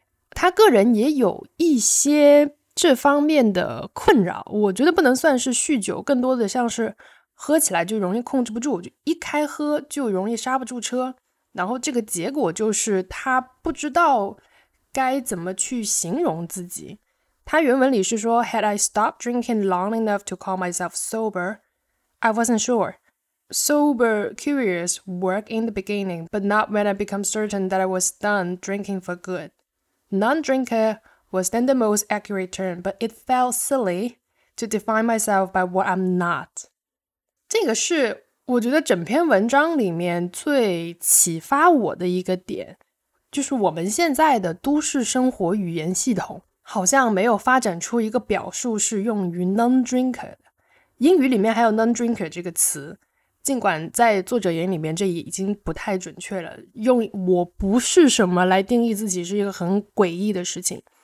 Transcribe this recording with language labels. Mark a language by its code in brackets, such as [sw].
[zh] 他个人也有一些这方面的困扰，我觉得不能算是酗酒，更多的像是喝起来就容易控制不住，就一开喝就容易刹不住车，然后这个结果就是他不知道该怎么去形容自己。他原文里是说 [en] Had I stopped drinking long enough to call myself sober? I wasn't sure. Sober, curious, work in the beginning, but not when I become certain that I was done drinking for good. Non-drinker was then the most accurate term, but it felt silly to define myself by what I'm not. [zh] 这个是我觉得整篇文章里面最启发我的一个点，就是我们现在的都市生活语言系统好像没有发展出一个表述是用于 non-drinker 的，英语里面还有 non-drinker 这个词，尽管在作者眼里面这已经不太准确了，用我不是什么来定义自己是一个很诡异的事情。